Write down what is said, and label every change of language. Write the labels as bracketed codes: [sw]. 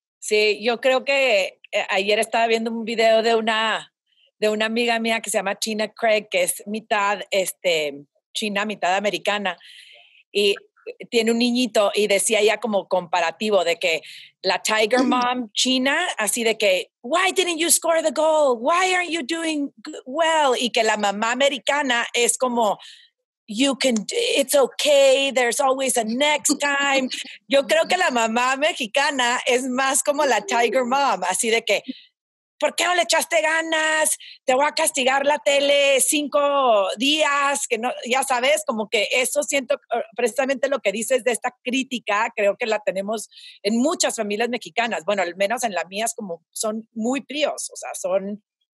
[es] Sí, yo creo que ayer estaba viendo un video de una amiga mía que se llama China Craig, que es mitad china, mitad americana, y tiene un niñito, y decía ella como comparativo de que la Tiger Mom china, así de que, [en] why didn't you score the goal? Why aren't you doing well? [es] Y que la mamá americana es como, [en] you can, it's okay, there's always a next time. [es] Yo creo que la mamá mexicana es más como la Tiger Mom, así de que, ¿por qué no le echaste ganas? Te voy a castigar la tele 5 días, que no, ya sabes, como que eso siento, precisamente lo que dices de esta crítica, creo que la tenemos en muchas familias mexicanas, bueno, al menos en la mía es como, son muy fríos, o sea, son...